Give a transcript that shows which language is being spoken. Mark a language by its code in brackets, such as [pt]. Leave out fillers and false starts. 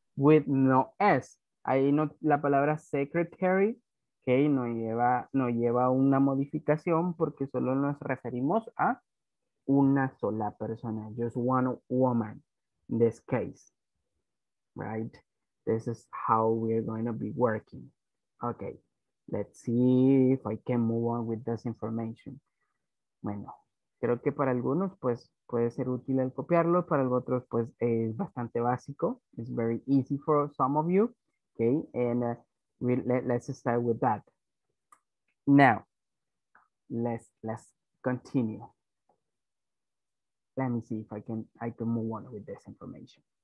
[en] With no S. [es] Ahí no, la palabra secretary, okay, no lleva una modificación porque solo nos referimos a una sola persona, [en] just one woman in this case, right? This is how we're going to be working. Okay, let's see if I can move on with this information. [es] Bueno, creo que para algunos pues puede ser útil el copiarlo, para otros pues es bastante básico. [en] It's very easy for some of you, okay? And let's start with that. Now, let's continue. Let me see if I can move on with this information.